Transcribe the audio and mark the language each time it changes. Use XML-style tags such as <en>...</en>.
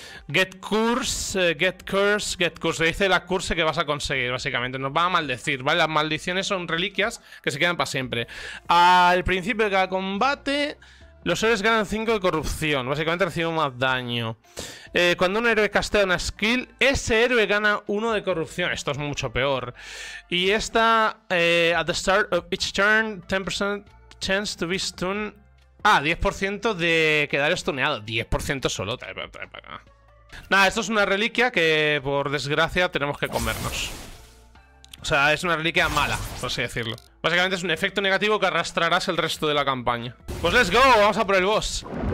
<en>Get curse.</en> <es>Le dice la curse que vas a conseguir, básicamente. Nos va a maldecir, ¿vale? Las maldiciones son reliquias que se quedan para siempre. Al principio de cada combate, los héroes ganan 5 de corrupción. Básicamente reciben más daño. Cuando un héroe castea una skill, ese héroe gana 1 de corrupción. Esto es mucho peor. Y esta,</es> <en>at the start of each turn, 10% chance to be stunned.</en> <es>Ah, 10% de quedar stuneado. 10% solo. Nada, esto es una reliquia que, por desgracia, tenemos que comernos. O sea, es una reliquia mala, por así decirlo. Básicamente es un efecto negativo que arrastrarás el resto de la campaña. Pues</es> <en>let's go,</en> <es>vamos a por el boss.</es>